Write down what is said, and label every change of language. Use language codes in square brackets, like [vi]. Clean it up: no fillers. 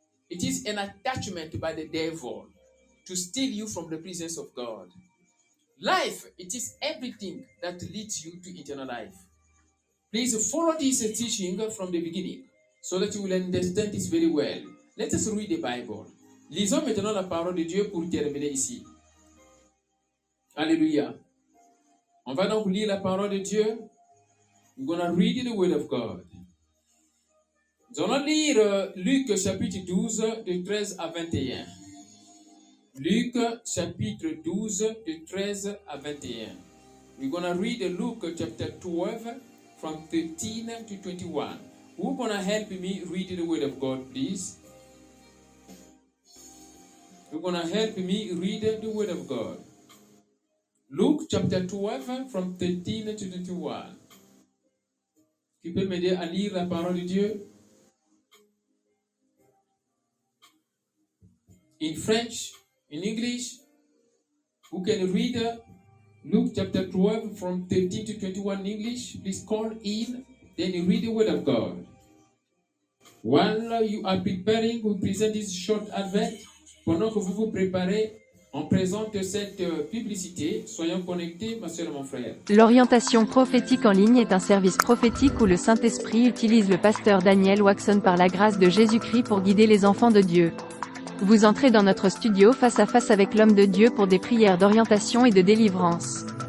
[en] It is an attachment by the devil to steal you from the presence of God. Life, it is everything that leads you to eternal life. Please follow this teaching from the beginning so that you will understand this very well. Let us read the Bible. [fr] Lisons maintenant la parole de Dieu pour terminer ici. Alléluia. On va donc lire la parole de Dieu. [en] We're going to read the word of God. [fr] Nous allons lire Luc chapitre 12, de 13 à 21. Luc chapitre 12, de 13 à 21. [en] We're going to read Luke chapter 12, from 13 to 21. Who's going to help me read the word of God, please? You're going to help me read the word of God. Luke chapter 12, from 13 to 21. [fr] Qui peut m'aider à lire la parole de Dieu? [en] In French, in English, who can read Luke chapter 12, from 13 to 21 in English? Please call in, then read the word of God. While you are preparing, we present this short advent. [fr] Pendant que vous vous préparez, on présente cette publicité. Soyons connectés, ma sœur et mon frère. L'orientation prophétique en ligne est un service prophétique où le Saint-Esprit utilise le pasteur Daniel Waxon par la grâce de Jésus-Christ pour guider les enfants de Dieu. Vous entrez dans notre studio face à face avec l'homme de Dieu pour des prières d'orientation et de délivrance.